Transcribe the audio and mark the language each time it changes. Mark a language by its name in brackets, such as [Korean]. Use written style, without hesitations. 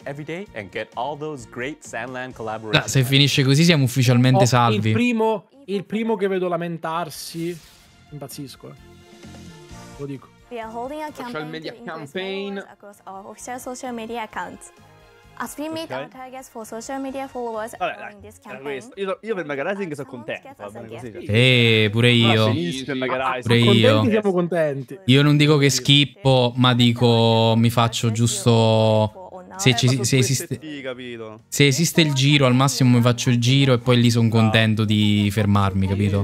[English] every day and get all those great Sandland collaborations. [Italian] Se finisce così siamo ufficialmente salvi. Il primo che vedo lamentarsi, impazzisco. Lo dico. [English] We are holding a campaign across our official social media accounts. As we meet our targets for social media followers during this campaign. [Italian] Io per Mega Rising sono contento. Pure io. Pure io. Siamo contenti. Io non dico che schippo, ma dico mi faccio giusto. Se esiste il giro, al massimo mi faccio il giro e poi lì sono contento di fermarmi, capito?